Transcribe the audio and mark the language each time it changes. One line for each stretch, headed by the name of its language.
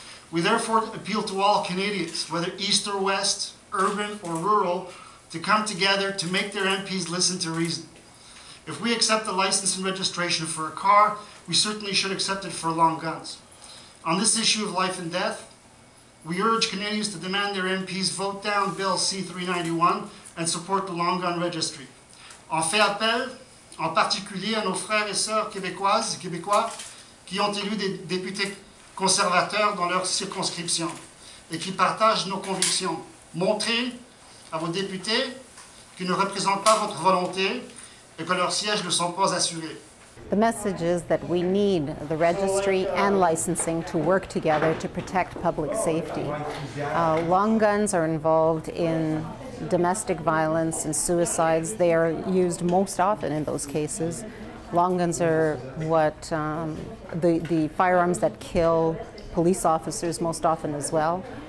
English: We therefore appeal to all Canadians, whether East or West, urban or rural, to come together to make their MPs listen to reason. If we accept the license and registration for a car, we certainly should accept it for long guns. On this issue of life and death, we urge Canadians to demand their MPs vote down Bill C-391 and support the Long Gun Registry.
French: On fait appel, en particulier à nos frères et sœurs québécoises et québécois qui ont élu des députés conservateurs dans leur circonscription et qui partagent nos convictions. Montrez à vos députés qu'ils ne représentent pas votre volonté et que leurs sièges ne sont pas assurés.
English: The message is that we need the registry and licensing to work together to protect public safety. Long guns are involved in domestic violence and suicides. They are used most often in those cases. Long guns are what the firearms that kill police officers most often as well.